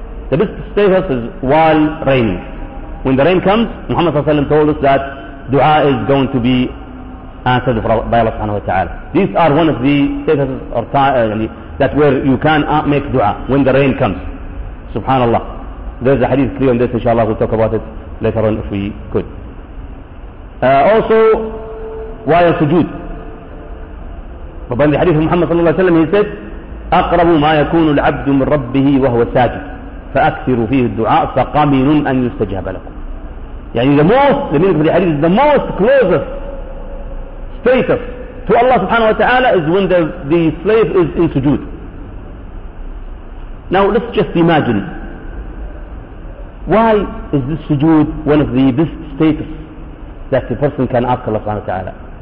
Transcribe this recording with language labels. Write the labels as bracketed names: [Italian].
[English] The best status is while raining. When the rain comes, Muhammad Sallallahu Alaihi Wasallam told us that dua is going to be answered by Allah Subhanahu Wa Ta'ala. These are one of the statuses or that where you can make dua when the rain comes. Subhanallah. There's a hadith clear on this, inshallah, we'll talk about it later on if we could. Also, while sujood. But in the hadith of Muhammad Sallallahu Alaihi Wasallam, he said, [Arabic] أَقْرَبُ مَا يَكُونُ الْعَبْدُ مِنْ رَبِّهِ وَهُوَ سَاجِدٌ فَأَكْثِرُ فِيهِ الدُّعَاءُ فَقَمِنٌ أَنْ يُسْتَجَابَ لَكُمْ. [English] يعني the most, the meaning of the hadith, the most closest status to Allah subhanahu wa ta'ala is when the slave is in sujood. Now let's just imagine, why is this sujood one of the best status that the person can ask Allah subhanahu wa ta'ala?